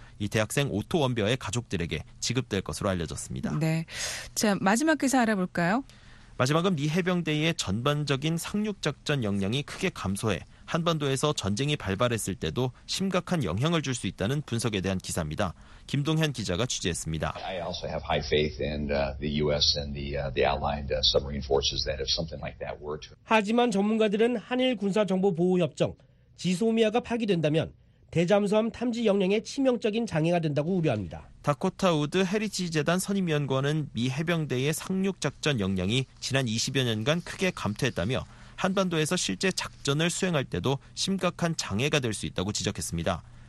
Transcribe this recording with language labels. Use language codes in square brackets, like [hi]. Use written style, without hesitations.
[ko] 이 대학생 오토 원비어의 가족들에게 지급될 것으로 알려졌습니다. 네. 자, 마지막 기사 알아볼까요? 마지막은 미 해병대의 전반적인 상륙작전 역량이 크게 감소해 한반도에서 전쟁이 발발했을 때도 심각한 영향을 줄 수 있다는 분석에 대한 기사입니다. 김동현 기자가 취재했습니다. [en] I also have high faith in the US and the allied submarine forces that if something like that were to [ko] 하지만 전문가들은 한일 군사 정보 보호 협정 지소미아가 파기된다면 대잠수함 탐지 역량에 치명적인 장애가 된다고 우려합니다. 다코타 우드 헤리티지 재단 선임연구원은 미 해병대의 상륙 작전 역량이 지난 20여 년간 크게 감퇴했다며 한반도에서 실제 작전을 수행할 때도 심각한 장애가 될 수 있다고 지적했습니다.